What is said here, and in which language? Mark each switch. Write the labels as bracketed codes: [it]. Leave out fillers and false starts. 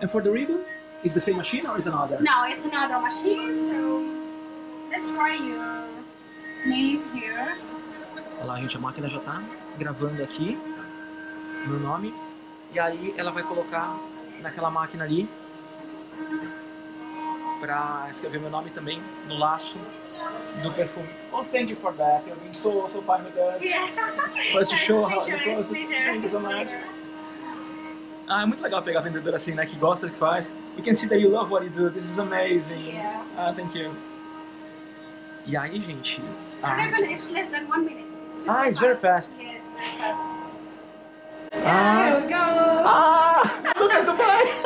[en] And for the ribbon, is the same machine or is another? No, it's another machine, so let's try your name here. [pt] Olha lá, gente, a máquina já tá gravando aqui, meu nome, e aí ela vai colocar naquela máquina ali, pra escrever meu nome também no laço do perfume. [en] Oh, thank you for that, I've been so fine with this. Yeah, it's a pleasure, it's a pleasure. [pt] Ah, é muito legal pegar vendedor assim, né, que gosta, que faz. [en] You can see that you love what you do, this is amazing. Yeah. Ah, thank you. [pt] E aí, gente... [en] Ah, it's less than 1 minute. Ah, it's very fast. Yeah, it's very fast. Ah. Here we go. Ah, Lucas Dubai.